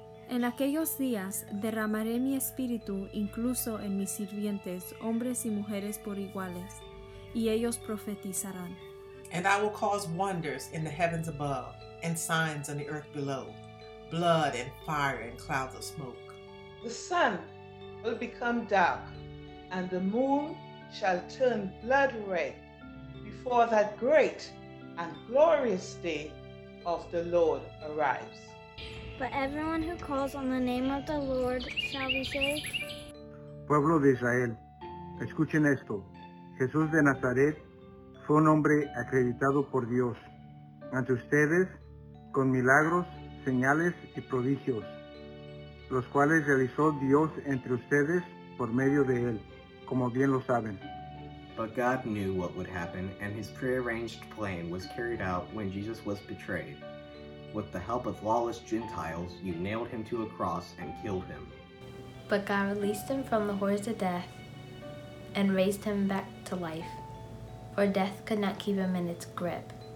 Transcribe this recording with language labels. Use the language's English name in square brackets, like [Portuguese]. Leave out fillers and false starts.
[Spanish] En aquellos días derramaré mi espíritu incluso en mis sirvientes, hombres y mujeres por iguales, y ellos profetizarán. [English] And I will cause wonders in the heavens above and signs on the earth below, blood and fire and clouds of smoke. The sun will become dark and the moon shall turn blood red before that great and glorious day of the Lord arrives. But everyone who calls on the name of the Lord shall be saved. [Spanish] Pueblo de Israel, escuchen esto. Jesús de Nazaret fue un hombre acreditado por Dios ante ustedes con milagros, señales y prodigios, los cuales realizó Dios entre ustedes por medio de él, como bien lo saben. [English] But God knew what would happen, and his prearranged plan was carried out when Jesus was betrayed. With the help of lawless Gentiles, you nailed him to a cross and killed him. But God released him from the horrors of death and raised him back to life, for death could not keep him in its grip.